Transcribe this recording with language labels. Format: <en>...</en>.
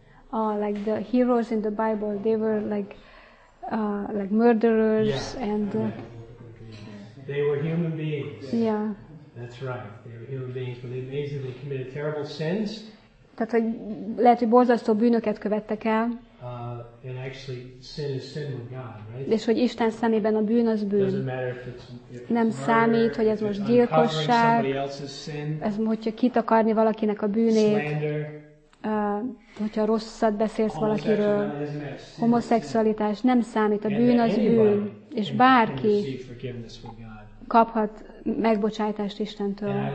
<en>Oh, like the heroes in the Bible, they were like murderers, yeah. And they were human beings. Yeah. That's right. They were human beings, but they basically committed terrible sins.</en> <hu>Tehát, hogy lehet, hogy borzasztó bűnöket követtek el.</hu> <en>And actually, sin is sin with God, right?</en> <hu>És hogy Isten szemében a bűn az bűn.</hu> <en>Doesn't matter if it's murder,</en> <hu>nem számít, hogy ez most gyilkosság. Ez hogyha kitakarni valakinek a bűnét.</hu> <en>Slander.</en> <hu>Hogyha rosszat beszélsz valakiről, homoszexualitás, nem számít, a bűn az bűn, és bárki kaphat megbocsájtást Istentől.</hu>